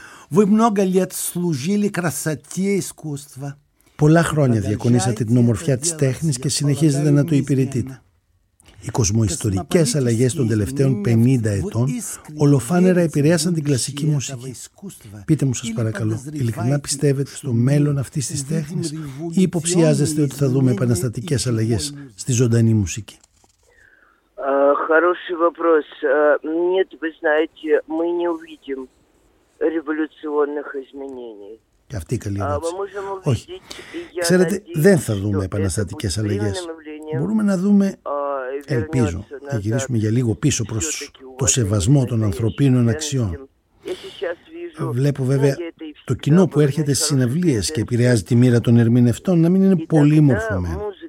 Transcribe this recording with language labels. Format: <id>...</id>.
<ru>Вы много лет служили красоте искусства.</ru> <el>Πολλά χρόνια διακονήσατε την ομορφιά της τέχνης και συνεχίζετε να το υπηρετείτε. Οι κοσμοϊστορικές αλλαγές των τελευταίων 50 ετών ολοφάνερα επηρέασαν την κλασική μουσική. Πείτε μου, σας παρακαλώ, ειλικρινά πιστεύετε στο μέλλον αυτής της τέχνης ή υποψιάζεστε ότι θα δούμε επαναστατικές αλλαγές στη ζωντανή μουσική?</el> <ru>Хороший вопрос. Нет, вы знаете, мы не увидим революционных изменений.</ru> <el>Και αυτή η καλή ερώτηση. Όχι. Ξέρετε, δεν θα δούμε επαναστατικές αλλαγές. Μπορούμε να δούμε, ελπίζω, να γυρίσουμε για λίγο πίσω προς το σεβασμό των ανθρωπίνων αξιών. Βλέπω βέβαια το κοινό που έρχεται στις συναυλίες και επηρεάζει τη μοίρα των ερμηνευτών να μην είναι πολύ μορφωμένο.</el>